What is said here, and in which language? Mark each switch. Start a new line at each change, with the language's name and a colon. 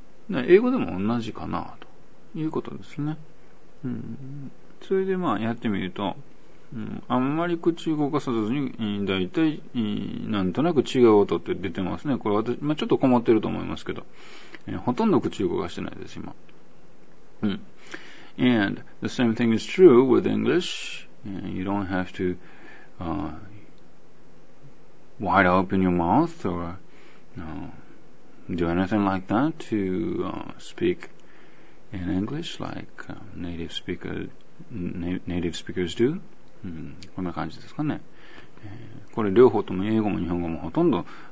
Japanese: 英語でも同じかなということですね。それでやってみると、あんまり口動かさずに、だいたい、なんとなく違う音って出てますね。これ私、ちょっと困ってると思いますけど、ほとんど口動かしてないです、今。
English: And the same thing is true with English. You don't have to, wide open your mouth or, do anything like that to speak in English like native speakers do、
Japanese: こんな感じですかね、これ両方とも英語も日本語もほとんど